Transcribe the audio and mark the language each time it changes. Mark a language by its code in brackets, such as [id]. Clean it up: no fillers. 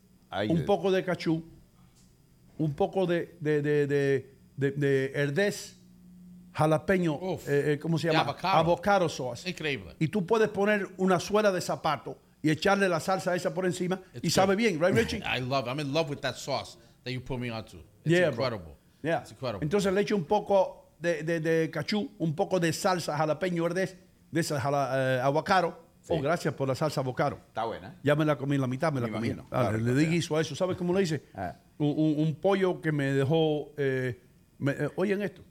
[es] Ahí un poco de cachú, un poco de herdez, jalapeño, ¿cómo se llama? [en] Avocado sauce. [es] Increíble. Y tú puedes poner una suela de zapato y echarle la salsa esa por encima sabe bien, [en] right, [es] Richie? [en] I'm in love with that sauce that you put me onto. It's incredible. Yeah. It's incredible. [es] Entonces le eche un poco de cachú, un poco de salsa jalapeño herdez, de esa avocado. Sí. Oh, gracias por la salsa avocado. Está buena. Ya me la comí, la mitad me la comí. Imagino. Dale, claro, le di guiso a eso. ¿Sabes cómo lo hice? Ah. Un pollo que me dejó... oyen esto.